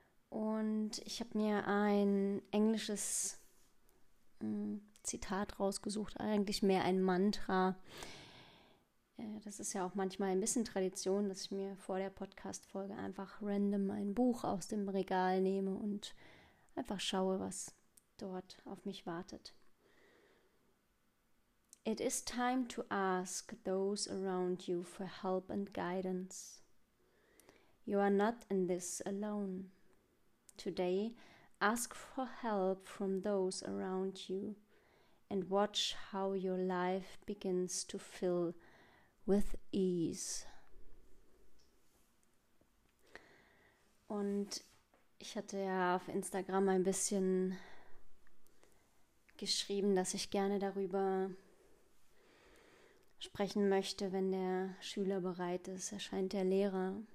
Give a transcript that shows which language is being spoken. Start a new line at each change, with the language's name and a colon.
German: Und ich habe mir ein englisches Zitat rausgesucht, eigentlich mehr ein Mantra. Das ist ja auch manchmal ein bisschen Tradition, dass ich mir vor der Podcast-Folge einfach random ein Buch aus dem Regal nehme und einfach schaue, was dort auf mich wartet.
English: It is time to ask those around you for help and guidance. You are not in this alone. Today, ask for help from those around you and watch how your life begins to fill with ease.
German: Und ich hatte ja auf Instagram ein bisschen geschrieben, dass ich gerne darüber sprechen möchte, wenn der Schüler bereit ist, erscheint der Lehrer.